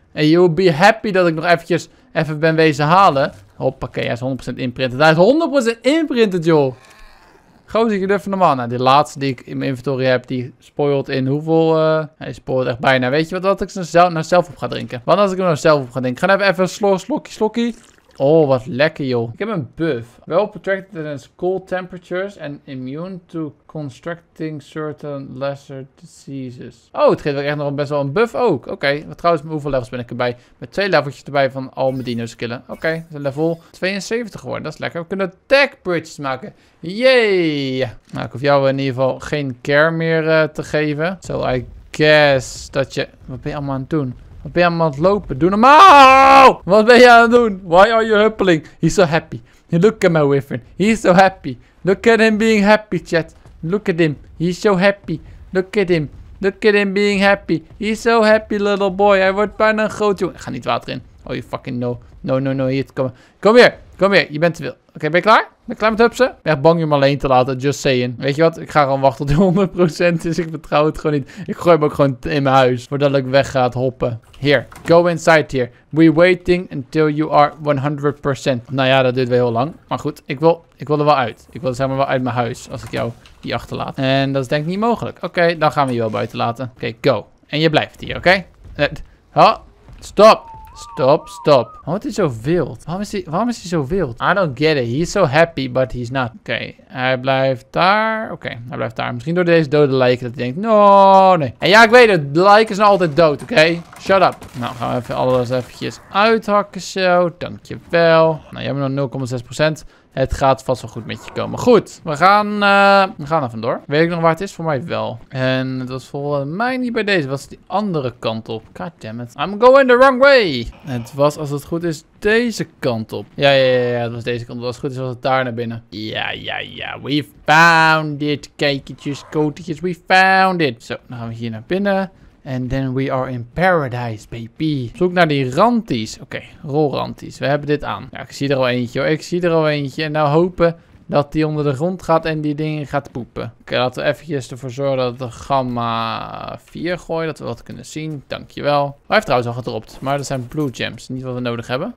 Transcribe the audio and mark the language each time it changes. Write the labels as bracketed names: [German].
[Dutch] En [English] you will be happy [Dutch] dat ik nog eventjes even ben wezen halen. Hoppakee, hij is 100% imprinted. Hij is 100% imprinted, joh. Gozer, je durft normaal. Nou, die laatste die ik in mijn inventory heb, die spoilt in hoeveel... Hij spoilt echt bijna. Weet je wat ik nou zelf op ga drinken? Wat als ik hem nou zelf op ga drinken? Ik ga even een slokkie. Oh, wat lekker, joh. Ik heb een buff. [English] Well protected against cold temperatures and immune to constructing certain lesser diseases. [Dutch] Oh, het geeft wel echt nog best wel een buff ook. Oké. Trouwens, hoeveel levels ben ik erbij? Met 2 leveltjes erbij van al mijn dino's killen. Oké. Een level 72 geworden. Dat is lekker. We kunnen tech bridges maken. Yay! Nou, ik hoef jou in ieder geval geen care meer te geven. [English] So I guess [Dutch] dat je... Wat ben je allemaal aan het doen? Wat ben je allemaal aan het lopen? Doe normaal! Wat ben je aan het doen? [English] Why are you huppeling? He's so happy. Look at my wiffin. He's so happy. Look at him being happy, chat. Look at him. He's so happy. Look at him. Look at him being happy. He's so happy, little boy. [Dutch] Hij wordt bijna een groot jongen. Ik ga niet water in. [English] Oh, you fucking no. No, no, no. [Dutch] Hier, kom. Kom hier. Kom hier. Je bent te veel. Oké, ben je klaar? Ben je klaar met hupsen? Ik ben echt bang om hem alleen te laten. [English] Just saying. [Dutch] Weet je wat? Ik ga gewoon wachten tot hij 100% is. Ik vertrouw het gewoon niet. Ik gooi hem ook gewoon in mijn huis. Voordat ik weg ga hoppen. [English] Hier. Go inside here. We're waiting until you are 100%. [Dutch] Nou ja, dat duurt wel heel lang. Maar goed, ik wil er wel uit. Ik wil er zeg maar wel uit mijn huis. Als ik jou hier achterlaat. En dat is denk ik niet mogelijk. Oké, dan gaan we je wel buiten laten. Oké, go. En je blijft hier, oké? Stop. Stop, stop. Waarom is hij zo wild? Waarom is hij zo wild? [English] I don't get it. He's so happy, but he's not. [Dutch] Oké, hij blijft daar. Oké, hij blijft daar. Misschien door deze dode lijken dat hij denkt... No, nee. En ja, ik weet het. De lijken zijn altijd dood, oké? [English] Shut up. [Dutch] Nou, gaan we even alles eventjes uithakken zo. Dankjewel. Nou, jij bent nog 0,6%. Het gaat vast wel goed met je komen. Goed, we gaan er vandoor. Weet ik nog waar het is? Voor mij wel. En het was volgens mij niet bij deze. Het was die andere kant op. [English] God damn it. I'm going the wrong way. [Dutch] Het was, als het goed is, deze kant op. Ja, het was deze kant op. Als het goed is, was het daar naar binnen. Ja. [English] We found it. [Dutch] Kijkertjes, kotertjes. [English] We found it. [Dutch] Zo, dan gaan we hier naar binnen. [English] And then we are in paradise, baby. [Dutch] Zoek naar die ranties. Oké, rol ranties. We hebben dit aan. Ja, ik zie er al eentje, hoor. En nou hopen dat die onder de grond gaat en die dingen gaat poepen. Oké, laten we eventjes ervoor zorgen dat de gamma 4 gooien. Dat we wat kunnen zien. Dankjewel. Hij heeft trouwens al gedropt. Maar dat zijn blue gems. Niet wat we nodig hebben.